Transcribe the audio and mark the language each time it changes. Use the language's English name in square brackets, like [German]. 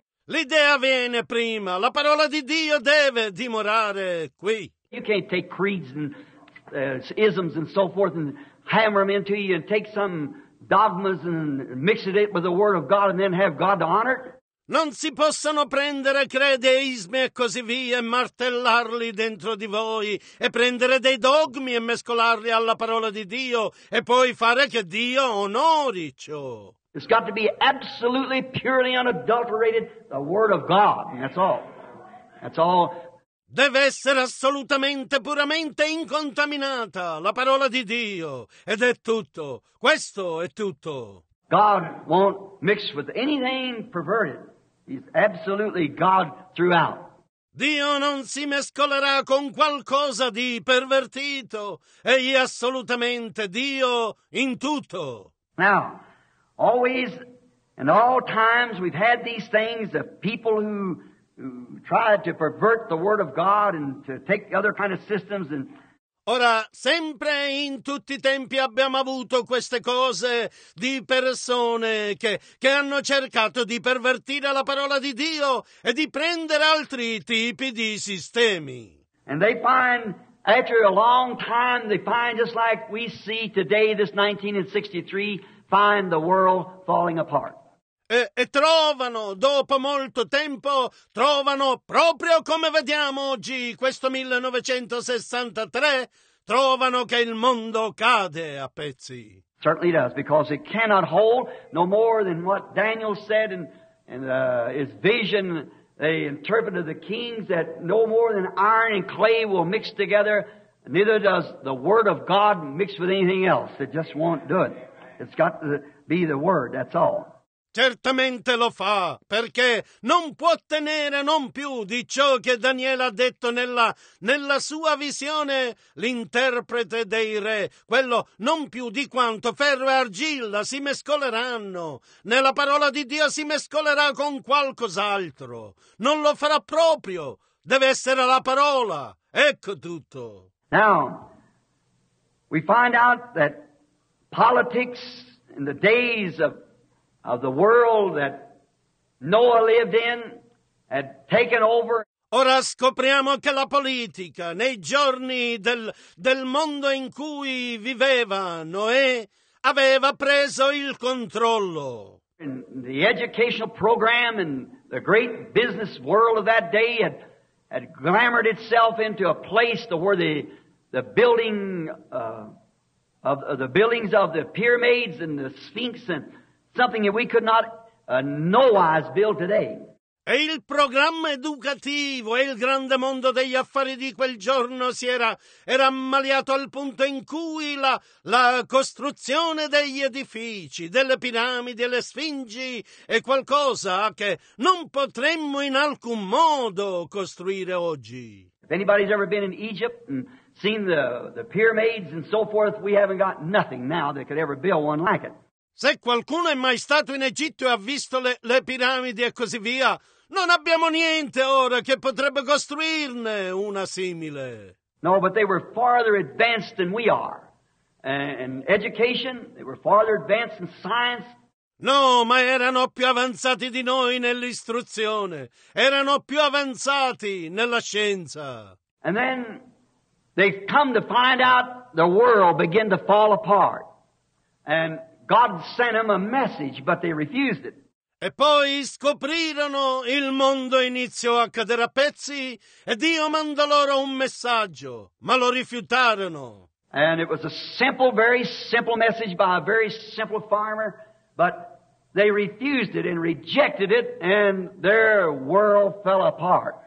[Italian] L'idea viene prima. La parola di Dio deve dimorare qui. [English] You can't take creeds and isms and so forth and hammer them into you and take some dogmas and mix it with the word of God and then have God honor it. [Italian] Non si possono prendere credi e ismi e così via e martellarli dentro di voi e prendere dei dogmi e mescolarli alla parola di Dio e poi fare che Dio onori ciò. [English] It's got to be absolutely purely unadulterated the word of God. That's all. That's all. [Italian] Deve essere assolutamente, puramente incontaminata la parola di Dio ed è tutto. Questo è tutto. [English] God won't mix with anything perverted. He's absolutely God throughout. [Italian] Dio non si mescolerà con qualcosa di pervertito. Egli è assolutamente Dio in tutto. [English] Now, always and all times we've had these things, the people who try to pervert the word of God and to take other kind of systems and... [Italian] Ora, sempre in tutti i tempi abbiamo avuto queste cose di persone che hanno cercato di pervertire la parola di Dio e di prendere altri tipi di sistemi. [English] And they find, after a long time, they find just like we see today, this 1963, find the world falling apart. [Italian] E trovano, dopo molto tempo, trovano proprio come vediamo oggi, questo 1963, trovano che il mondo cade a pezzi. [English] Certainly does, because it cannot hold no more than what Daniel said in his vision, they interpreted the kings that no more than iron and clay will mix together, neither does the word of God mix with anything else. It just won't do it. It's got to be the word, that's all. [Italian] Certamente lo fa, perché non può tenere non più di ciò che Daniele ha detto nella sua visione, l'interprete dei re, quello non più di quanto ferro e argilla si mescoleranno, nella parola di Dio si mescolerà con qualcos'altro, non lo farà proprio, deve essere la parola, ecco tutto. [English] Now, we find out that politics in the days of the world that Noah lived in had taken over. [Italian] Ora scopriamo che la politica nei giorni del mondo in cui viveva Noè aveva preso il controllo. [English] And the educational program and the great business world of that day had glamored itself into a place to where the building of the buildings of the pyramids and the Sphinx and something that we could not Noah's bill today. [Italian] E il programma educativo e il grande mondo degli affari di quel giorno si era ammaliato al punto in cui la costruzione degli edifici, delle piramidi, delle sfingi è qualcosa che non potremmo in alcun modo costruire oggi. [English] If anybody's ever been in Egypt and seen the pyramids and so forth, we haven't got nothing now that could ever build one like it. [Italian] Se qualcuno è mai stato in Egitto e ha visto le piramidi e così via, non abbiamo niente ora che potrebbe costruirne una simile. [English] No, but they were farther advanced than we are. In education, they were farther advanced in science. [Italian] No, ma erano più avanzati di noi nell'istruzione. Erano più avanzati nella scienza. [English] And then they come to find out the world began to fall apart. And God sent them a message, but they refused it. [Italian] E poi scoprirono il mondo iniziò a cadere a pezzi e Dio mandò loro un messaggio, ma lo rifiutarono. [English] And it was a simple, very simple message by a very simple farmer, but they refused it and rejected it, and their world fell apart.